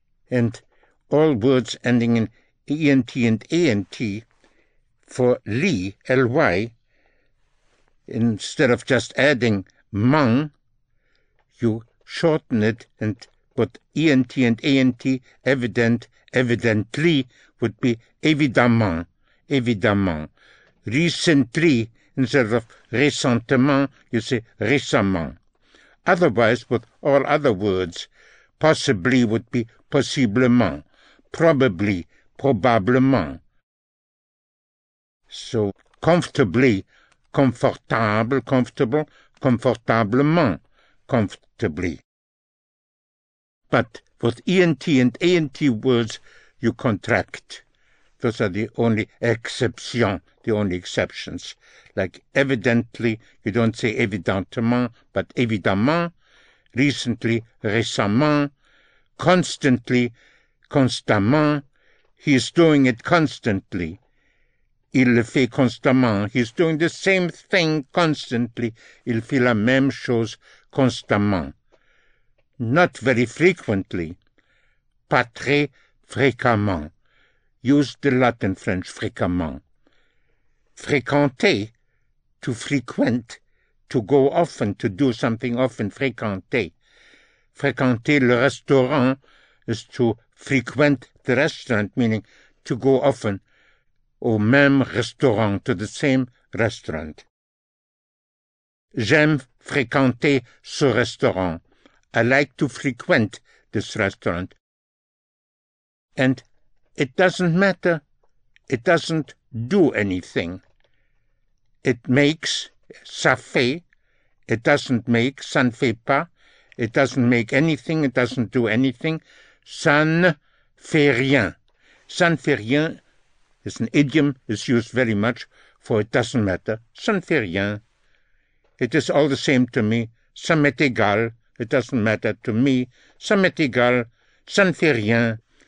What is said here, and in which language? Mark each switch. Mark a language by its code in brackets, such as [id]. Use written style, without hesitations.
[en] And all words ending in ENT and ANT for Li, LY, instead of just adding Mang, you shorten it and put ENT and ANT, evident, evidently, would be [fr] évidemment, évidemment. [en] Recently, instead of récentement, you say récemment. Otherwise, with all other words, possibly would be possiblement, probably, probablement. So, comfortably, comfortable, comfortable, comfortablement, comfortably. But with ENT and ANT words, you contract. Those are the only exceptions, the only exceptions. Like evidently, you don't say évidemment, but évidemment. Recently, récemment. Constantly, constamment. He is doing it constantly. [fr] Il le fait constamment. [en] He's doing the same thing constantly. [fr] Il fait la même chose constamment. [en] Not very frequently. [fr] Pas très fréquemment. [en] Use the Latin French fréquemment. Fréquenter, to frequent, to go often, to do something often, fréquenter. [fr] Fréquenter le restaurant [en] is to frequent the restaurant, meaning to go often [fr] au même restaurant, [en] to the same restaurant. [fr] J'aime fréquenter ce restaurant. [en] I like to frequent this restaurant. And it doesn't matter. It doesn't do anything. It makes, [fr] ça fait. [en] It doesn't make, [fr] ça ne fait pas. [en] It doesn't make anything, it doesn't do anything. [fr] Ça ne fait rien. Ça ne fait rien [en] is an idiom, is used very much for it doesn't matter. [fr] Ça ne fait rien. [en] It is all the same to me. [fr] Ça m'est égal. [en] It doesn't matter to me. [fr] Ça m'est égal. Ça ne fait rien.